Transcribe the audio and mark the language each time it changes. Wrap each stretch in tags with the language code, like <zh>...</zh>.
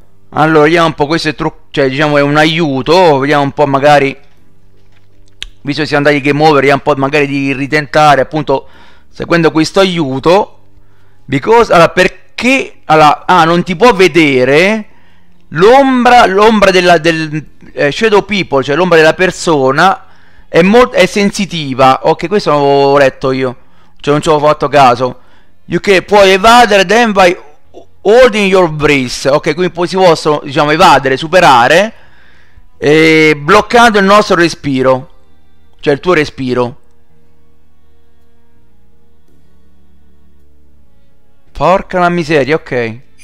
<it>Allora, vediamo un po' questo trucco. Cioè, diciamo, è un aiuto. Vediamo un po', magari, visto che siamo andati game over, vediamo un po' magari di ritentare, appunto, seguendo questo aiuto.</it> <en>Because,</en> <it>allora, perché, allora, ah, non ti può vedere l'ombra della,</it> <en>shadow people,</en> <it>cioè l'ombra della persona, è sensitiva. Ok, questo l'avevo letto io, cioè non ci ho fatto caso.</it> <en>You can,</en> <it>puoi evadere,</it> <en>then by holding your breath.</en> <it>Ok, quindi poi si possono, diciamo, evadere, superare, bloccando il nostro respiro, cioè il tuo respiro. Porca la miseria, ok.</it>